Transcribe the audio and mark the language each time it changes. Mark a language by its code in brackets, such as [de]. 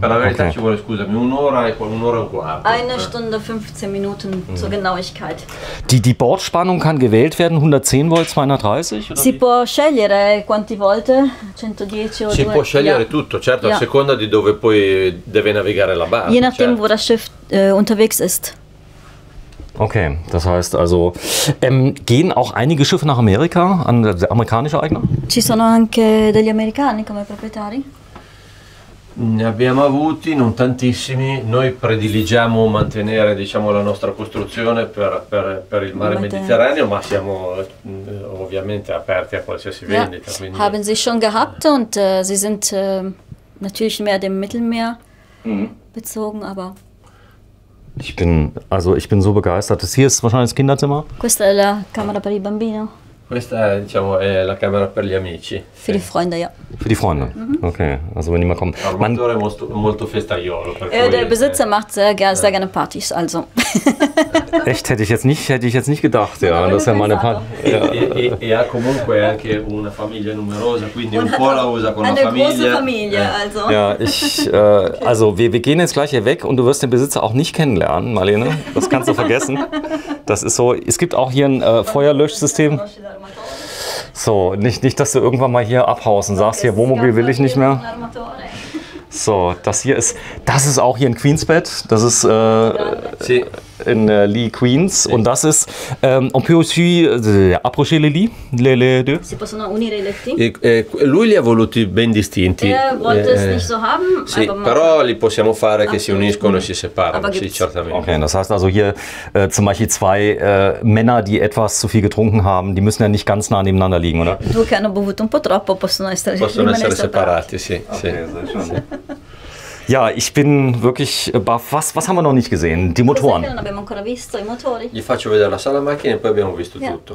[it] Per la verità ci vuole, scusami, un'ora e quarto. [de] Eine Stunde, 15 Minuten zur Genauigkeit. Die Bordspannung kann gewählt werden, 110 Volt, 230? [it] Si può scegliere quanti Volt, 110 o 2. Si può scegliere tutto, certo, a seconda di dove poi deve navigare la barca. [de] Je nachdem, wo das Schiff unterwegs ist. Okay, das heißt also, gehen auch einige Schiffe nach Amerika an der amerikanische Eigner? [it] Ci sono anche degli americani come proprietari? Ne abbiamo avuti, non tantissimi. Noi prediligiamo mantenere, diciamo, la nostra costruzione per il mare Mediterraneo, ma siamo ovviamente aperti a qualsiasi vendita. Quindi. [de] Haben Sie schon gehabt und Sie sind natürlich mehr dem Mittelmeer bezogen, aber. Ich bin so begeistert. Das hier ist wahrscheinlich das Kinderzimmer. [it] Questa è la camera per i bambini. Questa è, diciamo, è la camera per gli amici. [de] Für die Freunde, ja. Für die Freunde. Mm-hmm. Okay. Also wenn die mal kommen. [it] Armatore molto festaiolo. [de] Der Besitzer macht sehr gerne Partys. Also. Echt, hätte ich jetzt nicht gedacht, ja, dass er meine Partys. Ja. [it] E ha comunque anche una famiglia numerosa, quindi un po' la usa con la famiglia. [de] Eine große Familie, also. Ja, also wir gehen jetzt gleich hier weg und du wirst den Besitzer auch nicht kennenlernen, Marlene. Das kannst du vergessen. Das ist so. Es gibt auch hier ein Feuerlöschsystem. So, nicht, dass du irgendwann mal hier abhaust und sagst, hier Wohnmobil will ich nicht mehr. So, das ist auch hier ein Queensbett. Das ist in Lee Queens. Und das ist, [fr] on peut aussi approcher les lits, les deux. [it] Si possono unire i letti? Lui li ha voluti ben distinti. [de] Wollte es nicht so haben. [it] Sì, però li possiamo fare che si uniscono e si separano. Sì, certamente. [de] Okay, das heißt also hier zum Beispiel zwei Männer, die etwas zu viel getrunken haben, die müssen ja nicht ganz nah nebeneinander liegen, oder? [it] Due che hanno bevuto un po' troppo possono essere separati, sì. Okay, sì. [de] Ja, ich bin wirklich baff. Was haben wir noch nicht gesehen? Die Motoren. [it] Non abbiamo ancora visto i motori. Gli faccio vedere la sala macchine e poi abbiamo visto tutto.